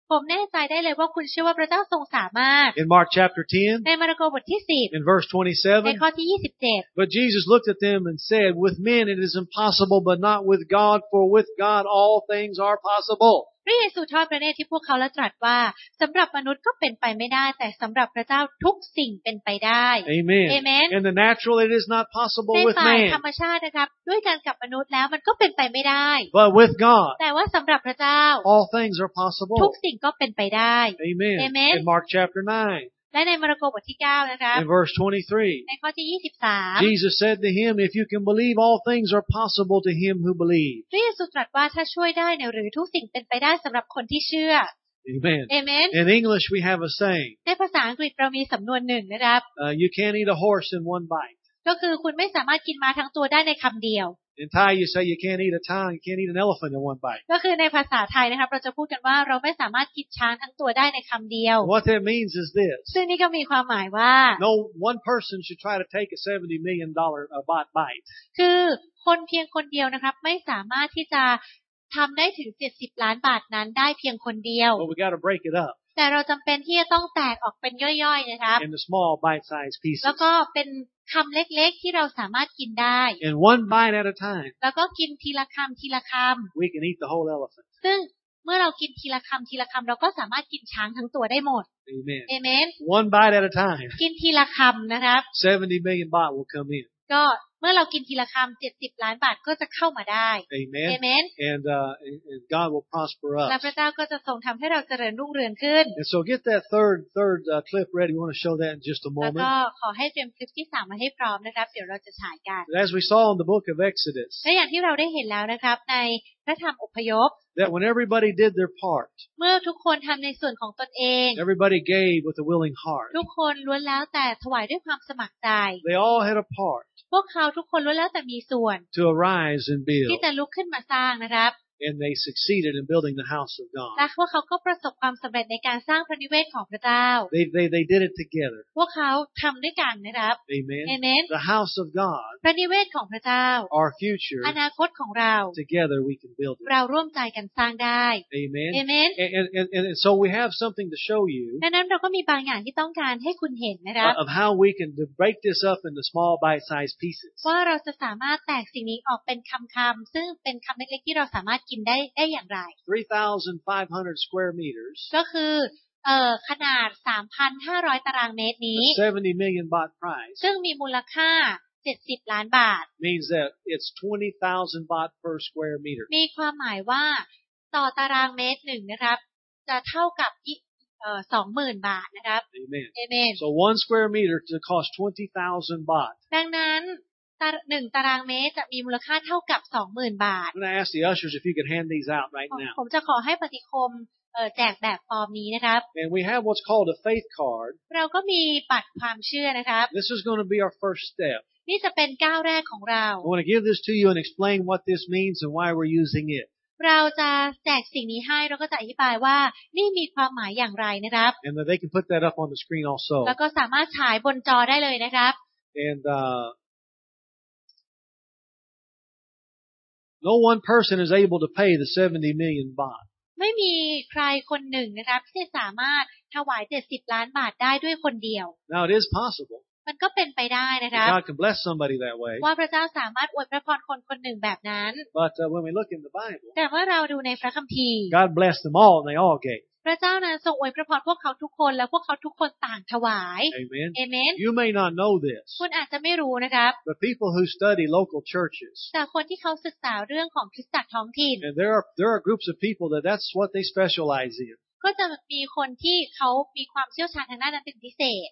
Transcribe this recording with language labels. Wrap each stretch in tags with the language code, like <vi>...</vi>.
<th>ผมแน่ใจได้เลยว่าคุณเชื่อว่าพระเจ้าทรงสามารถ</th> <en>In Mark chapter 10</en> <th>ในมาระโกบทที่10</th> <en>In verse 27</en> <th>ในข้อที่27</th> <en>But Jesus looked at them and said with men it is impossible but not with God for with God all things are possibleP</en> <th>พระเยซูทอดพระเนตรที่พวกเขาและตรัสว่าสำหรับมนุษย์ก็เป็นไปไม่ได้แต่สำหรับพระเจ้าทุกสิ่งเป็นไปได้</th> <en>Amen Amen And the natural it is not possible with man</en> <th>ในฝ่ายธรรมชาตินะครับด้วยการกับมนุษย์แล้วมันก็เป็นไปไม่ได้</th> <en>But with God</en> <th>แต่ว่าสำหรับพระเจ้า</th> <en>All things are possible</en> <th>ทุกสิ่งก็เป็นไปได้</th> <en>Amen Amen In Mark chapter 9</en> <th>และในมาระโกบทที่9นะคะ</th> <en>In verse 23</en> <th>ในข้อที่23</th> <en>Jesus said to him if you can believe all things are possible to him who believes</en> <th>พระเยซูตรัสว่าถ้าช่วยได้หรือทุกสิ่งเป็นไปได้สำหรับคนที่เชื่อAmen.</th> <en>In English, we have a saying.</en> <th>ในภาษาอังกฤษเรามีสำนวนหนึ่งนะครับ</th> <en>You can't eat a horse in one bite.</en> <th>ก็คือคุณไม่สามารถกินม้าทั้งตัวได้ในคำเดียว</th> <en>In Thai, you say you can't eat a tongue, you can't eat an elephant in one bite.</en> <th>ก็คือในภาษาไทยนะครับเราจะพูดกันว่าเราไม่สามารถกินช้างทั้งตัวได้ในคำเดียว</th> <en>What that means is this.</en> <th>ซึ่งนี่ก็มีความหมายว่า</th> <en>No one person should try to take a $70 million bite.</en> <th>คือคนเพียงคนเดียวนะครับไม่สามารถที่จะทำได้ถึง70ล้านบาทนั้นได้เพียงคนเดียวแต่เราจำเป็นที่จะต้องแตกออกเป็นย่อยๆนะครับ</th> <en>into small bite-sized pieces</en> <th>แล้วก็เป็นคำเล็กๆที่เราสามารถกินได้</th> <en>and one bite at a time</en> <th>แล้วก็กินทีละคำทีละคำ</th> <en>we can eat the whole elephant</en> <th>ซึ่งเมื่อเรากินทีละคำทีละคำเราก็สามารถกินช้างทั้งตัวได้หมด</th> <en>amen amen one bite at a time</en> <th>กินทีละคำนะครับ</th> <en>70 million baht will come in</en> <th>ก็เมื่อเรากินทีละคำ70ล้านบาทก็จะเข้ามาได้</th> <en>Amen. Amen. And God will prosper us.</en> <th>และพระเจ้าก็จะทรงทำให้เราเจริญรุ่งเรืองขึ้น</th> <en>And so get that third clip ready. We want to show that in just a moment.</en> <th>แล้วก็ขอให้เตรียมคลิปที่3มาให้พร้อมนะครับเดี๋ยวเราจะฉายกัน</th> <en>As we saw in the book of Exodus.</en> <th>และอย่างที่เราได้เห็นแล้วนะครับในพระธรรมอพยพ</th> <en>That when everybody did their part.</en> <th>เมื่อทุกคนทำในส่วนของตนเอง</th> <en>Everybody gave with a willing heart.</en> <th>ทุกคนล้วนแล้วแต่ถวายด้วยความสมัครใจ</th> <en>They all had a part.</en> <th>พวกเขาทุกคนล้วนแล้วแต่มีส่วน</th> <en>To arise and build.</en> <th>ที่จะลุกขึ้นมาสร้างนะครับ</th> <en>And they succeeded in building the house of God.</en> <th>และพวกเขาก็ประสบความสำเร็จในการสร้างพระนิเวศของพระเจ้า</th> <en>They did it together.</en> <th>พวกเขาทำด้วยกันนะครับ</th> <en>Amen. Amen. The house of God.</en> <th>พระนิเวศของพระเจ้า</th> <en>Our future.</en> <th>อนาคตของเรา</th> <en>Together we can build it.</en> <th>เราร่วมใจกันสร้างได้</th> <en>Amen. Amen. And so we have something to show you.</en> <th>ดังนั้นเราก็มีบางอย่างที่ต้องการให้คุณเห็นนะครับ</th> <en>Of how we can break this up into small bite-sized pieces.</en> <th>ว่าเราจะสามารถแตกสิ่งนี้ออกเป็นคำๆซึ่งเป็นคำเล็กๆที่เราสามารถกินได้อย่างไร</th> <en>3,500 square meters</en> <th>ก็คือขนาด 3,500 ตารางเมตรนี้</th> <en>70 million baht price</en> <th>ซึ่งมีมูลค่า70ล้านบาท</th> <en>means that it's 20,000 baht per square meter</en> <th>มีความหมายว่าต่อตารางเมตรหนึ่งนะครับจะเท่ากับ20,000 บาทนะครับ</th> <en>Amen. Amen So 1 square meter to cost 20,000 baht</en> <th>ดังนั้นตาร1ตารางเมตรจะมีมูลค่าเท่ากับ 20,000 บาท</th> <en>Can I ask the ushers if you could hand these out right now</en> <th>ผมจะขอให้ปฏิคมแจกแบบฟอร์มนี้นะครับ</th> <en>And we have what's called a faith card</en> <th>เราก็มีบัตรความเชื่อนะครับ</th> <en>This is going to be our first step</en> <th>นี่จะเป็นก้าวแรกของเรา</th> <en>I want to give this to you and explain what this means and why we're using it</en> <th>เราจะแจกสิ่งนี้ให้เราก็จะอธิบายว่านี่มีความหมายอย่างไรนะครับ</th> <en>And they can put that up on the screen also</en> <th>แล้วก็สามารถฉายบนจอได้เลยนะครับ</th> <en>AndNo one person is able to pay the 70 million baht.</en> <th>ไม่มีใครคนหนึ่งนะครับที่สามารถถวาย70ล้านบาทได้ด้วยคนเดียว</th> <en>Now it is possible.</en> <th>มันก็เป็นไปได้นะครับ</th> <en>God can bless somebody that way.</en> <th>ว่าพระเจ้าสามารถอวยพระพรคนคนหนึ่งแบบนั้น</th> <en>But when we look in the Bible.</en> <th>แต่เมื่อเราดูในพระคัมภีร์</th> <en>God blessed them all and they all gave.</en> <th>พระเจ้านั้นทรงอวยพระพรพวกเขาทุกคนและพวกเขาทุกคนต่างถวาย</th> <en>Amen. Amen. You may not know this.</en> <th>คุณอาจจะไม่รู้นะครับ</th> <en>But people who study local churches.</en> <th>แต่คนที่เขาศึกษาเรื่องของคริสตจักรท้องถิ่น</th> <en>And there are groups of people that's what they specialize in.</en> <th>ก็จะมีคนที่เขามีความเชี่ยวชาญทางด้านนั้นเป็นพิเศษ</th>